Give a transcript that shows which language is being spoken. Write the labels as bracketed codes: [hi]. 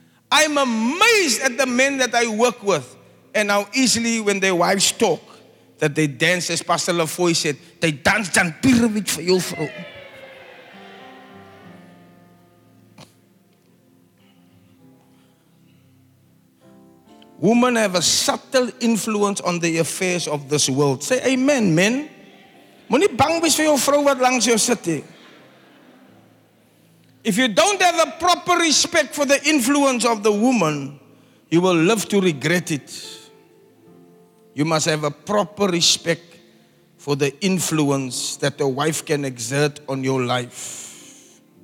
[en] I'm amazed at the men that I work with and how easily when their wives talk that they dance, as Pastor LaFoy said, they dance down pyramid for you, bro. Women have a subtle influence on the affairs of this world. Say amen, men. [af] Moenie bang wees vir jou vrou wat langs jou sit hier. [en] If you don't have a proper respect for the influence of the woman, you will live to regret it. You must have a proper respect for the influence that a wife can exert on your life.